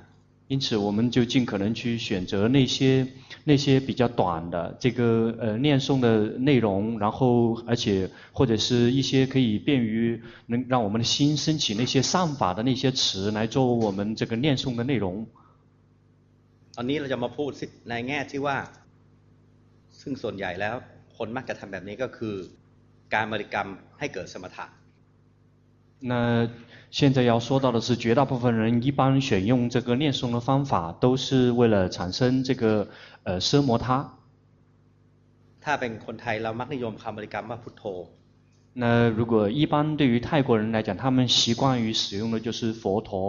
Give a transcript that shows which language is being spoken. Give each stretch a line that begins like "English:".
Chinese: 因此我们就尽可能去选择那些比较短的这个念诵的内容然后而且或者是一些可以便于能让我们的心升起那些善法的那些词来做我们这个念诵的内容
Thai: ตอนนี้เราจะมาพูดในแง่ที่ว่าซึ่งส่วนใหญ่แล้วคนมักจะทำแบบนี้ก็คือการบริกรรมให้เกิดสมถะ
Chinese: 那现在要说到的是绝大部分人一般选用这个念诵的方法都是为了产生这个奢摩他
Thai: ถ้าเป็นคนไทยเรามักนิยมคำบริกรรมว่าพุทโธ
Chinese: 那如果一般对于泰国人来讲他们习惯于使用的就是佛陀